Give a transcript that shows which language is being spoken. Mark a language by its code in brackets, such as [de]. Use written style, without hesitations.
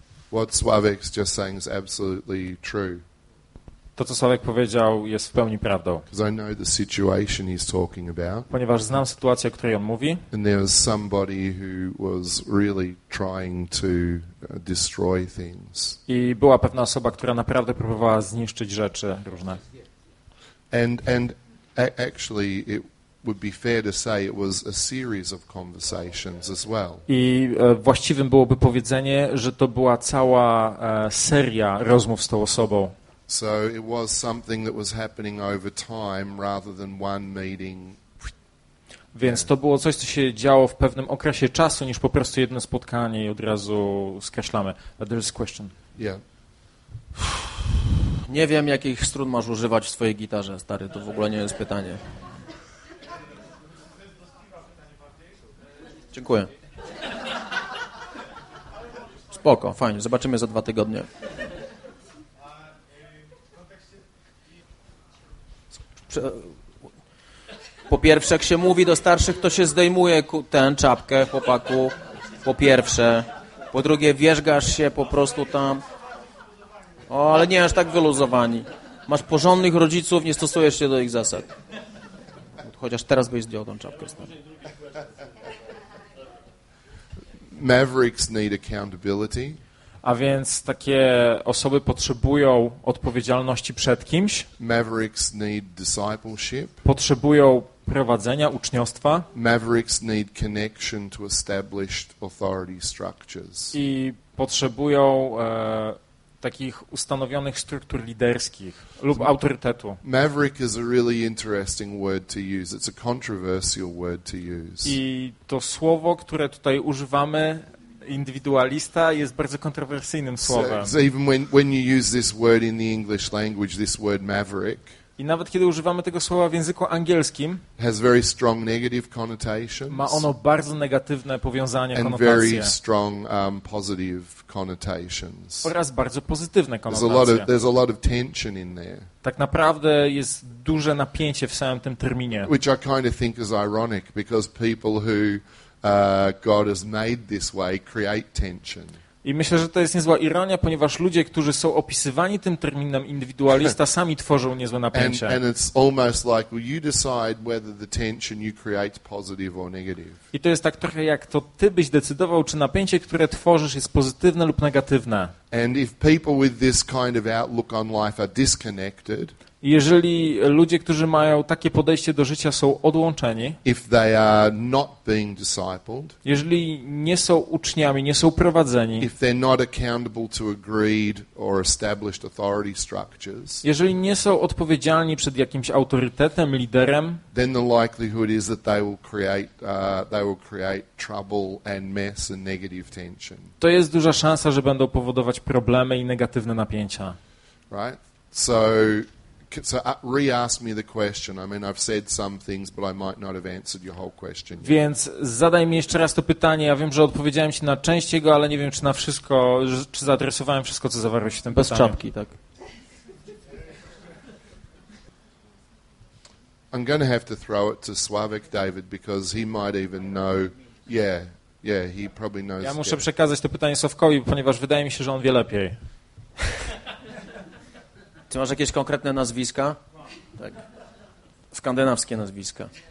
[en] What Sławek's just saying is absolutely true. [pl] To, co Sławek powiedział, jest w pełni prawdą. [en] Because I know the situation he's talking about. [pl] Ponieważ znam sytuację, o której on mówi. [en] And there was somebody who was really trying to destroy things. [pl] I była pewna osoba, która naprawdę próbowała zniszczyć rzeczy różne. [en] And actually it would be fair to say it was a series of conversations as well. [pl] I właściwym byłoby powiedzenie, że to była cała seria rozmów z tą osobą. [en] So it was something that was happening over time rather than one meeting. [pl] Więc to było coś, co się działo w pewnym okresie czasu, niż po prostu jedno spotkanie i od razu skreślamy. [en] But there's a question. Yeah. [pl] Nie wiem, jakich strun masz używać w swojej gitarze, stary. To w ogóle nie jest pytanie. Dziękuję. Spoko, fajnie. Zobaczymy za dwa tygodnie. Po pierwsze, jak się mówi do starszych, to się zdejmuje tę czapkę, chłopaku, po pierwsze. Po drugie, wierzgasz się po prostu tam. O, ale nie aż tak wyluzowani. Masz porządnych rodziców, nie stosujesz się do ich zasad. Chociaż teraz byś zdjął tę czapkę. [en] Mavericks need accountability. [pl] A więc takie osoby potrzebują odpowiedzialności przed kimś. [en] Mavericks need discipleship. [pl] Potrzebują prowadzenia, uczniostwa. [en] Mavericks need connection to established authority structures. [pl] I potrzebują takich ustanowionych struktur liderskich lub autorytetu. [en] Maverick is a really interesting word to use. It's a controversial word to use. [pl] I to słowo, które tutaj używamy, indywidualista, jest bardzo kontrowersyjnym słowem. [en] So even when you use this word in the English language, this word maverick. [pl] I nawet kiedy używamy tego słowa w języku angielskim, [en] has very strong negative connotations. [pl] Ma ono bardzo negatywne powiązania, [en] and [pl] konotacje. [en] Very strong positive connotations. [pl] Oraz bardzo pozytywne konotacje. [en] There's a lot of tension in there. [pl] Tak naprawdę jest duże napięcie w samym tym terminie. [en] Which I kind of think is ironic because people who God has made this way create tension. [pl] I myślę, że to jest niezła ironia, ponieważ ludzie, którzy są opisywani tym terminem indywidualista, sami tworzą niezłe napięcie. [en] And it's almost like, well, you decide whether the tension you create positive or negative. [pl] I to jest tak trochę jak to ty byś decydował, czy napięcie, które tworzysz, jest pozytywne lub negatywne. [en] And if people with this kind of outlook on life are disconnected. [pl] Jeżeli ludzie, którzy mają takie podejście do życia, są odłączeni, [en] if they are not being discipled, [pl] jeżeli nie są uczniami, nie są prowadzeni, [en] if they're not accountable to agreed or established authority structures, [pl] jeżeli nie są odpowiedzialni przed jakimś autorytetem, liderem, [en] then the likelihood is that they will create trouble and mess and negative tension. [pl] To jest duża szansa, że będą powodować problemy i negatywne napięcia. [en] Right? So re-ask me the question. I mean, I've said some things, but I might not have answered your whole question yet. [pl] Więc zadaj mi jeszcze raz to pytanie. Ja wiem, że odpowiedziałem ci na część jego, ale nie wiem, czy na wszystko, czy zaadresowałem wszystko, co zawarło się w tym bez pytaniu. Czapki, tak. [en] I'm going to have to throw it to Sławek David because he might even know. Yeah, he probably knows. [pl] Ja muszę przekazać to pytanie Sławkowi, ponieważ wydaje mi się, że on wie lepiej. Czy masz jakieś konkretne nazwiska? Tak. Skandynawskie nazwiska.